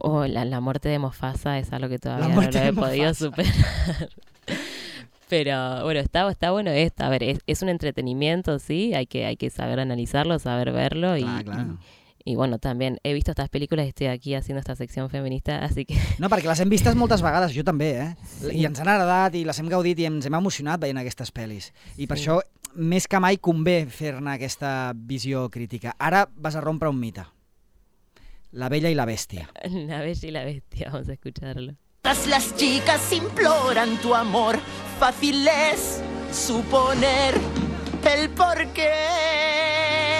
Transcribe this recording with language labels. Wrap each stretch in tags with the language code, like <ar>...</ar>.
<es>O la muerte de Mufasa es algo que todavía no lo he podido superar. Pero bueno, está bueno esto. A ver, es un entretenimiento, ¿sí? Hay que saber analizarlo, saber verlo. Y bueno, también he visto estas películas y estoy aquí haciendo esta sección feminista, así que...</es> <ca>No, perquè les hem vistes moltes vegades, jo també, eh? Sí. I ens han agradat i les hem gaudit i ens hem emocionat veient aquestes pel·lis. I per això, més que mai, convé fer-ne aquesta visió crítica. Ara vas a rompre un mite. La Bella i la Bèstia.</ca> <es>La Bella i la Bèstia, vamos a escucharlo. Las chicas imploran tu amor. Fácil es suponer el porqué.</es>